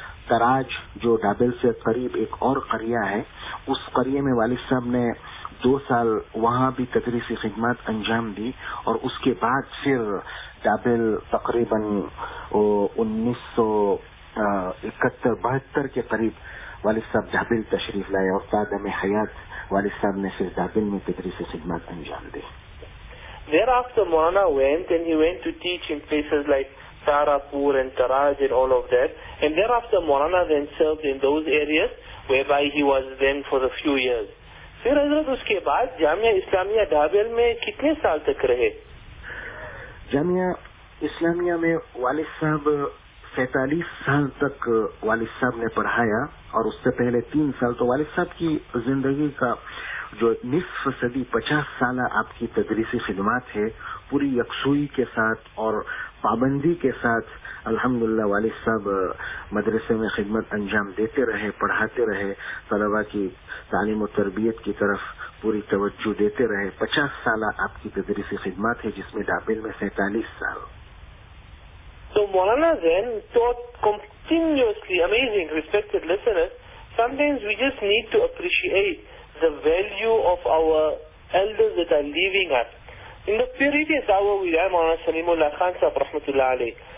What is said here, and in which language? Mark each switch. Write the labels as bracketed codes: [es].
[ur] تراج جو ڈابل سے قریب ایک اور قریہ ہے, اس قریے میں والد صاحب نے 2 سال وہاں بھی تدریسی خدمات انجام دی, اور اس کے بعد پھر ڈابل تقریباً 1971-72 کے قریب والد صاحب ڈابل تشریف لائے, اور قدم حیات والد صاحب نے پھر ڈابل میں تدریسی خدمات انجام دی. [en] Thereafter Maulana went and he went to teach in places like Tarapur and Taraj and all of that. And thereafter Maulana then served in those areas whereby he was then for a few years. [ur] Fir Hazrat uske baad Jamia Islamia Dabel mein kitne saal tak rahe? Jamia Islamia mein Walid Sahab 47 saal tak Walid Sahab ne padhaya, aur usse pehle 3 saal to Walid Sahab ki zindagi ka جو نصف صدی 50 سالہ آپ کی تدریسی خدمات ہے, پوری یکسوئی کے ساتھ اور پابندی کے ساتھ الحمدللہ والد صاحب مدرسے میں خدمت انجام دیتے رہے, پڑھاتے رہے, طلبا کی تعلیم و تربیت کی طرف پوری توجہ دیتے رہے. 50 سالہ آپ کی تدریسی خدمات ہے, جس میں ڈابل میں 47 سال. [en] تو Maulana Zain taught continuously, amazing, respected listeners, sometimes we just need to appreciate the value of our elders that are leaving us. In the previous hour we had Maulana Salimullah Khan Sahib Rahmatullah Alayh.